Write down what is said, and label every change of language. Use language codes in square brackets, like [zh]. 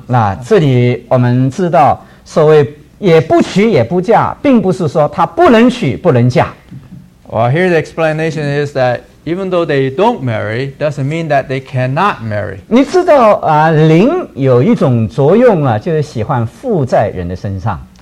[zh] 那这里我们知道，所谓也不娶也不嫁，并不是说他不能娶不能嫁。 [en] Well, here the explanation is that even though they don't marry, doesn't mean that they cannot marry. [zh] 你知道啊，灵有一种作用啊，就是喜欢附在人的身上。